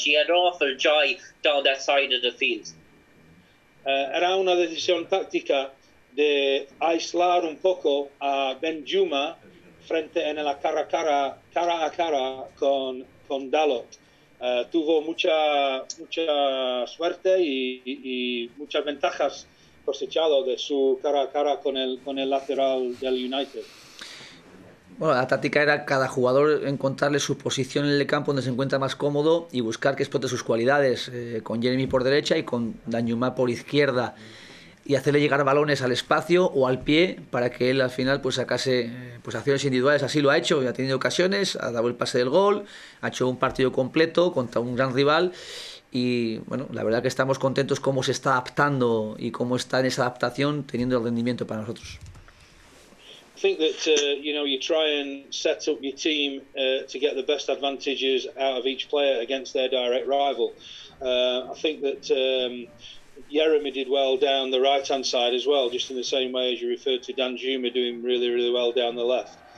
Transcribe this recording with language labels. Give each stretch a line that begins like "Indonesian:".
English: He had an awful joy down that side of the field.
Spanish: Era una decisión táctica de aislar un poco a Banjuma frente en la cara a cara con Dalot. Tuvo mucha suerte y muchas ventajas cosechado de su cara a cara con el lateral del United. Bueno, la táctica era cada jugador encontrarle su posición en el campo donde se encuentra más cómodo y buscar que explote sus cualidades, con Jeremy por derecha y con Danjuma por izquierda, y hacerle llegar balones al espacio o al pie para que él al final pues sacase pues acciones individuales. Así lo ha hecho, ha tenido ocasiones, ha dado el pase del gol, ha hecho un partido completo contra un gran rival y bueno, la verdad que estamos contentos cómo se está adaptando y cómo está en esa adaptación teniendo el rendimiento para nosotros.
English: I think that you try and set up your team to get the best advantages out of each player against their direct rival. I think that Jeremy did well down the right hand side as well, just in the same way as you referred to Danjuma doing really, really well down the left.